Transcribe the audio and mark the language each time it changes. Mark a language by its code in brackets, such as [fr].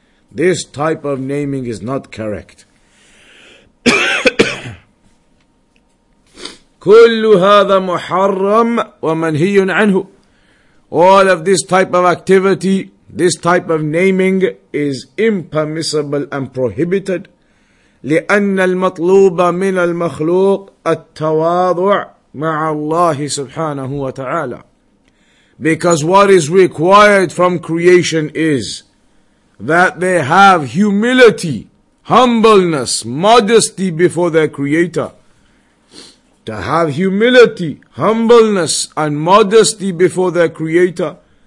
[en] This type of naming is not correct. [ar] كل هذا محرم ومنهي عنه. [en] All of this type of activity, this type of naming is impermissible and prohibited. [ar] لأن المطلوب من المخلوق التواضع مع الله سبحانه وتعالى. [en] Because what is required from creation is that they have humility, humbleness, modesty before their creator. To have humility, humbleness, and modesty before their creator.